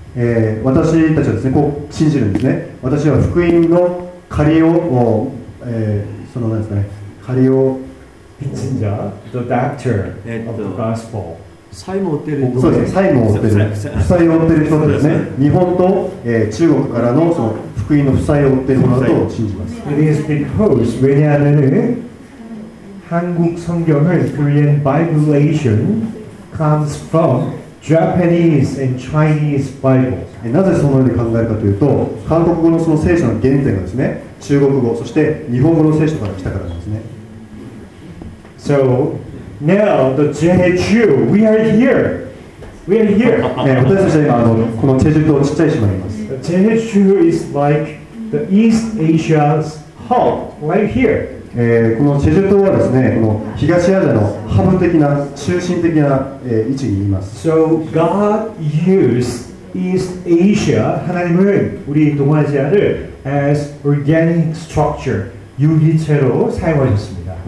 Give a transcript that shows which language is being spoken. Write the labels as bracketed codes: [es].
[ja] 私たちはですねこう信じるんですね私は福音の借りを、その何ですかね借りを [ko] 빚진자 [en] the debtor of the gospel [ja] 債務を負っている人そうですね債務を負っている負債を負っている人ですね日本と、中国からのその福音の負債を負っているものだと信じます [en] It is because [ko] 왜냐하면한국성경은 [en] Korean Bibleation comes from Japanese and Chinese Bible [ja] なぜそのように考えるかというと韓国語のその聖書の原点がですね中国語そして日本語の聖書から来たからなんですね [en] SoNow, the Jeju, we are here. We are here. [ja] 私たちは今、このチェジュ島、ちっちゃい島にいます。 [en] Jeju is like the East Asia's hub, right here. [ja] このチェジュ島はですね、この東アジアのハブ的な、中心的な、位置にいます。 [en] So, God used East Asia, [ko] 하나님은우리동아시아를 [en] as organic structure, [ko] 유기체로사용하셨습니다